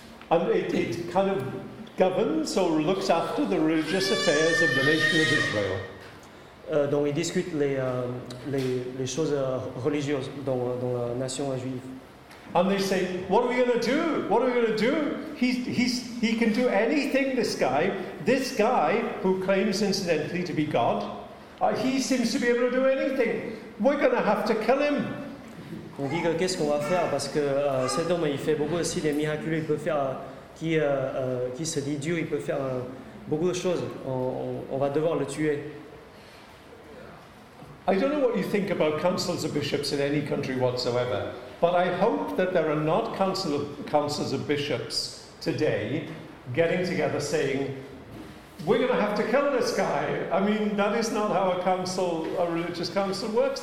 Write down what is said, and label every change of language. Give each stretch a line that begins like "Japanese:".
English: And it kind of governs or looks after the religious affairs of the nation of Israel.
French: Donc ils discutent les choses religieuses dans la nation juive.
English: And they say, what are we going to do? What are we going to do? He can do anything, this guy. This guy who claims incidentally to be God, he seems to be able to do anything. We're going to have to kill him.
French: On dit que qu'est-ce qu'on va faire parce que cet homme il fait beaucoup de signes miraculeux, il peut faire qui se dit Dieu, il peut faire beaucoup de choses. On va devoir le tuer.
English: I don't know what you think about councils of bishops in any country whatsoever, but I hope that there are not councils of bishops today getting together saying we're going to have to kill this guy. I mean, that is not how a religious council works.